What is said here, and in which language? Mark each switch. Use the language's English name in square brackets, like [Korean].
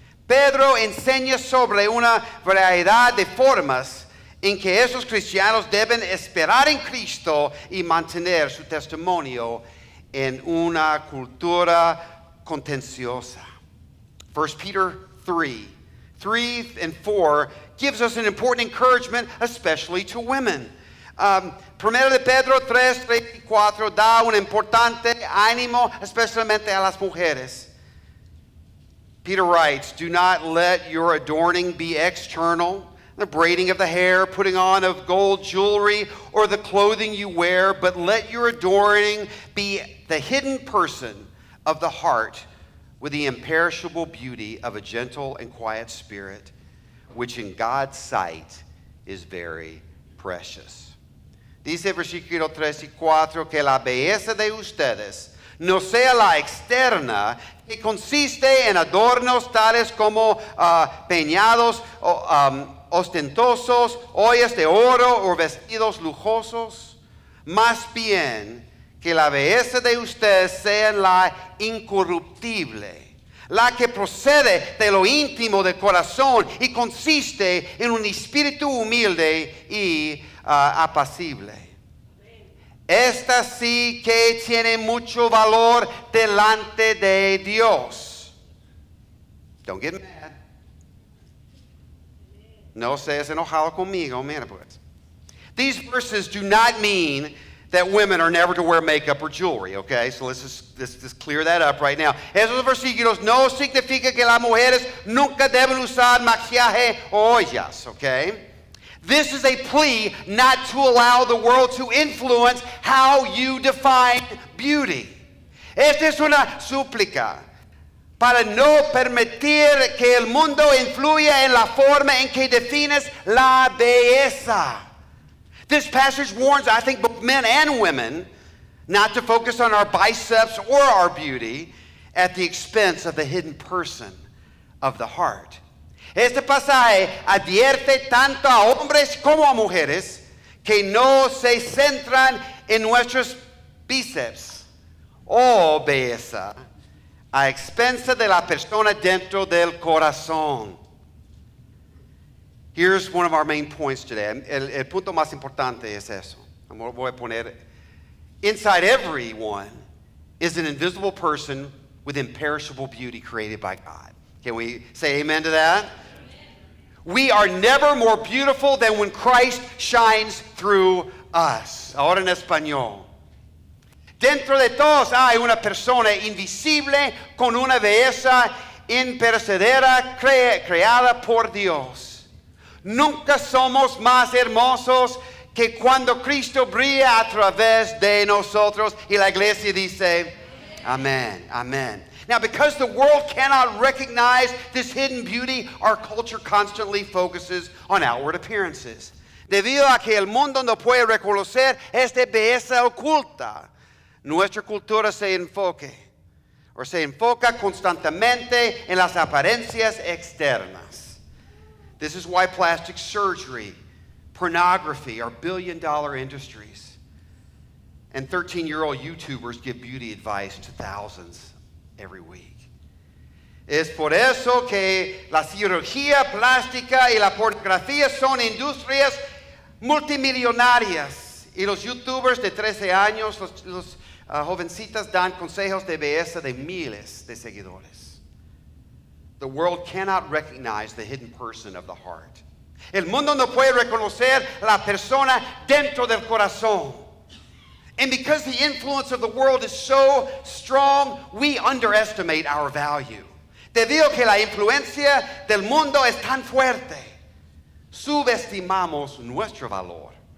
[Spanish] Pedro enseña sobre una variedad de formas en que esos cristianos deben esperar en Cristo y mantener su testimonio en una cultura contenciosa. [English] 1 Peter 3 and 4 gives us an important encouragement, especially to women. [Spanish] Primero de Pedro 3, 3 y 4 da un importante ánimo, especialmente a las mujeres. [English] Peter writes, "Do not let your adorning be external, the braiding of the hair, putting on of gold jewelry, or the clothing you wear, but let your adorning be the hidden person of the heart with the imperishable beauty of a gentle and quiet spirit, which in God's sight is very precious." [Spanish] Dice versículo 3 y 4 que la belleza de ustedes no sea la externa, que consiste en adornos tales como peinados ostentosos, ollas de oro o vestidos lujosos, más bien que la belleza de ustedes sea la incorruptible, la que procede de lo íntimo del corazón y consiste en un espíritu humilde y apacible. Esta sí que tiene mucho valor delante de Dios. [English] Don't get mad. [Spanish] No seas enojado conmigo, mira pues. [English] These verses do not mean that women are never to wear makeup or jewelry, okay? So let's just clear that up right now. [Spanish] Esos versículos no significa que las mujeres nunca deben usar maquillaje o ollas, okay? [English] This is a plea not to allow the world to influence how you define beauty. [Spanish] Esta es una súplica para no permitir que el mundo influya en la forma en que defines la belleza. [English] This passage warns, I think, both men and women not to focus on our biceps or our beauty at the expense of the hidden person of the heart. [Spanish] Este pasaje advierte tanto a hombres como a mujeres que no se centran en nuestros bíceps o belleza a expensa de la persona dentro del corazón. [English] Here's one of our main points today. [Spanish] El punto más importante es eso. Voy a poner, [English] inside everyone is an invisible person with imperishable beauty created by God. Can we say amen to that? We are never more beautiful than when Christ shines through us. [Spanish] Ahora en español. Dentro de todos hay una persona invisible con una belleza imperecedera creada por Dios. Nunca somos más hermosos que cuando Cristo brilla a través de nosotros. Y la iglesia dice, amén, amén. [English] Now, because the world cannot recognize this hidden beauty, our culture constantly focuses on outward appearances. [Spanish] Debido a que el mundo no puede reconocer esta belleza oculta, nuestra cultura se enfoca constantemente en las apariencias externas. [English] This is why plastic surgery, pornography are billion-dollar industries. And 13-year-old YouTubers give beauty advice to thousands every week. [Spanish] Es por eso que la cirugía plástica y la pornografía son industrias multimillonarias. Y los youtubers de 13 años, los jovencitas, dan consejos de belleza de miles de seguidores. [English] The world cannot recognize the hidden person of the heart. [Spanish] El mundo no puede reconocer la persona dentro del corazón. [English] And because the influence of the world is so strong, we underestimate our value. [Spanish] Debido a que la influencia del mundo es tan fuerte, subestimamos nuestro valor.